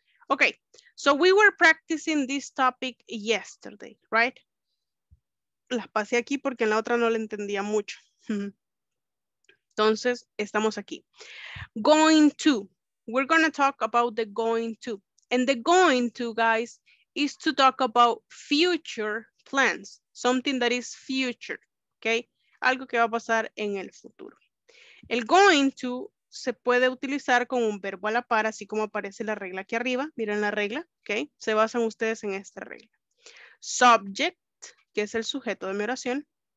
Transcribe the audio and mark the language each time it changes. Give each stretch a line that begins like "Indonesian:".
English: Okay, so we were practicing this topic yesterday, right?
Spanish: las pasé aquí porque en la otra no la entendía mucho. Entonces, estamos aquí. Going to.
English: We're going to talk about the going to. And the going to, guys, is to talk about future plans. Something that is future, okay?
Spanish: Algo que va a pasar en el futuro. El going to se puede utilizar con un verbo a la par, así como aparece la regla aquí arriba. Miren la regla,
English: okay?
Spanish: Se basan ustedes en esta regla. Subject, que es el sujeto de mi oración.